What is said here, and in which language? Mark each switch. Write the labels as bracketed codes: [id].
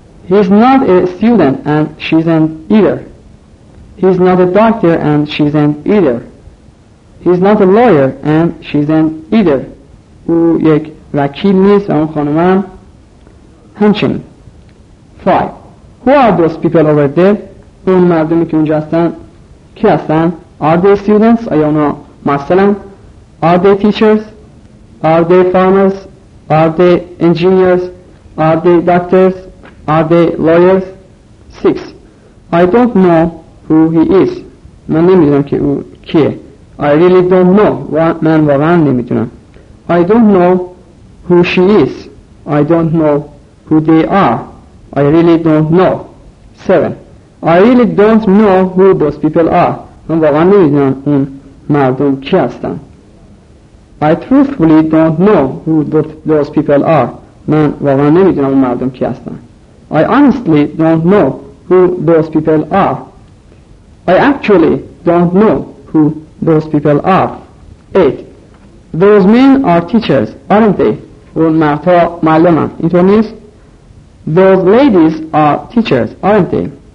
[en] He's not a student and she isn't either. He's not a doctor and she isn't either. He's not a lawyer and she isn't either. [fa] او یک وکیل نیست و اون خانوم هم همچنین. [en] 5. Who are those people over there? [fa] اون مردمی که اونجا هستن کی هستن؟ [en] Are they students? [fa] آیا اونا مثلاً؟ [en] Are they teachers? Are they farmers? Are they engineers? Are they doctors? Are they lawyers? 6. I don't know who he is. [fa] من نمیدونم که او کیه. [en] I really don't know. [fa] من واقعا نمیدونم. [en] I don't know who she is. I don't know who they are. I really don't know. 7. I really don't know who those people are. [fa] من واقعا نمیدونم اون مردم کی هستن. [en] I truthfully don't know who those people are. [fa] من واقعا نمیدونم اون مردم کی هستن. [en] I honestly don't know who those people are. I actually don't know who those people are. 8. Those men are teachers, aren't they? [fa] اون مردها معلمن. اینطور نیست؟ [en] Those ladies are teachers, aren't they?